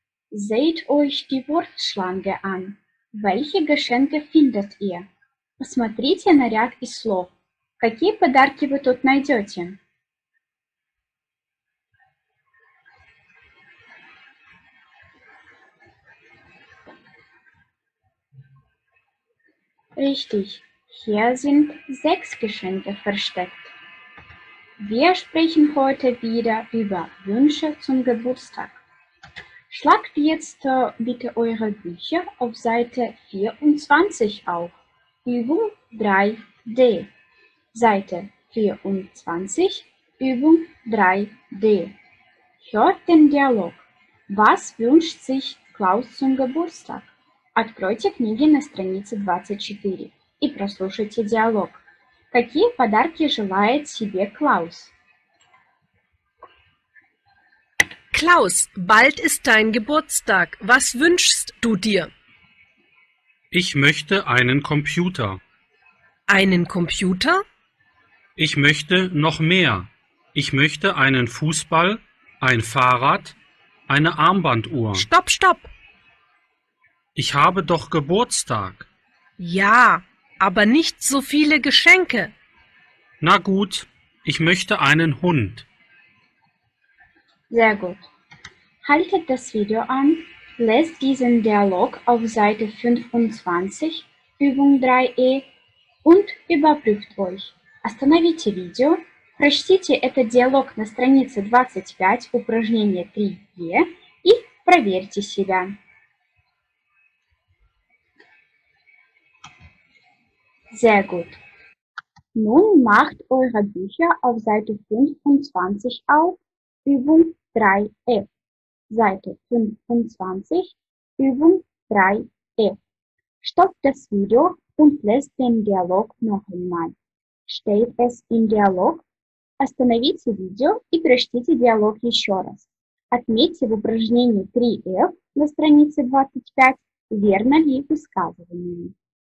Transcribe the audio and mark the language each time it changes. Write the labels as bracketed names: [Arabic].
[German] Seht euch die Wurfschlange an. Welche Geschenke findet ihr? [Russian] Посмотрите на ряд из слов. Какие подарки вы тут найдете? [German] Richtig. Hier sind 6 Geschenke versteckt. Wir sprechen heute wieder über Wünsche zum Geburtstag. Schlagt jetzt bitte eure Bücher auf Seite 24 auf. Übung 3D. Seite 24, Übung 3D. Hört den Dialog. Was wünscht sich Klaus zum Geburtstag? [Russian] Откройте книги на странице 24 и прослушайте диалог. Какие подарки желает себе Клаус? [German] Клаус, bald ist dein Geburtstag. Was wünschst du dir? Ich möchte einen Computer. Einen Computer? Ich möchte noch mehr. Ich möchte einen Fußball, ein Fahrrad, eine Armbanduhr. Stopp, stopp! Ich habe doch Geburtstag. Ja, aber nicht so viele Geschenke. Na gut, ich möchte einen Hund. Sehr gut. Haltet das Video an, lest diesen Dialog auf Seite 25, Übung 3e und überprüft euch. [Russian] Остановите видео, прочтите этот диалог на странице 25, упражнение 3e и проверьте себя. [German] Sehr gut. Nun macht eure Bücher auf Seite 25 auf, Übung 3f. Seite 25, Übung 3f. Stoppt das Video und lest den Dialog noch einmal. Steht es im Dialog? [Russian] Остановите видео и прочтите диалог еще раз. Отметьте в упражнении 3f на странице 25, верно ли высказывание.